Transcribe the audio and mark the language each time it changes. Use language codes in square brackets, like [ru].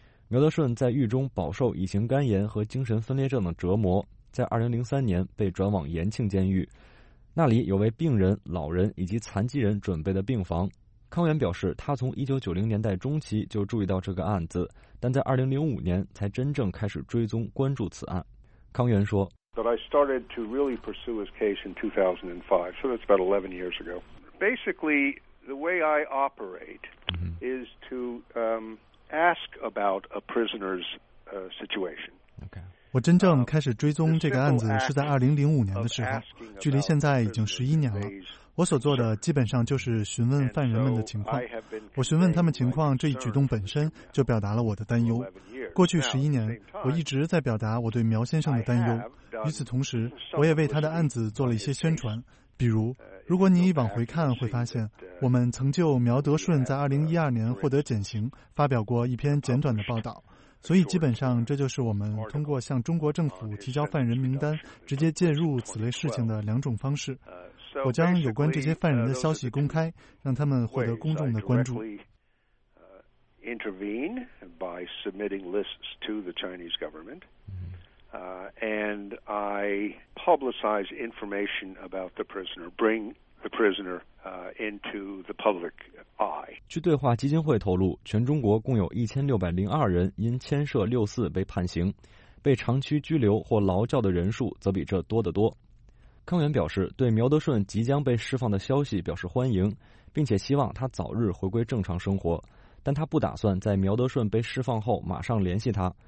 [zh] 苗德顺在狱中饱受乙型肝炎和精神分裂症的折磨，在2003年被转往延庆监狱，那里有为病人、老人以及残疾人准备的病房。康源表示，他从1990年代中期就注意到这个案子，但在2005年才真正开始追踪关注此案。康源说 [en] ：“But I started to really pursue his case in 2005, so that's about 11 years ago. Basically, the way I operate is to.” Ask about a prisoner's situation. Okay. [zh] 我真正开始追踪这个案子是在2005年的时候，距离现在已经11年了。我所做的基本上就是询问犯人们的情况。我询问他们情况，这一举动本身就表达了我的担忧。过去11年，我一直在表达我对苗先生的担忧。与此同时，我也为他的案子做了一些宣传，比如。如果你往回看，会发现我们曾就苗德顺在2012年获得减刑发表过一篇简短的报道，所以基本上这就是我们通过向中国政府提交犯人名单直接介入此类事情的两种方式。我将有关这些犯人的消息公开，让他们获得公众的关注。 [en] Intervene by submitting lists to the Chinese government. And I publicize information about the prisoner, bring the prisoner into the public eye. [zh] 据对话基金会透露，全中国共有1602人因牵涉6.4被判刑，被长期拘留或劳教的人数则比这多得多。康源表示，对苗德顺即将被释放的消息表示欢迎，并且希望他早日回归正常生活，但他不打算在苗德顺被释放后马上联系他。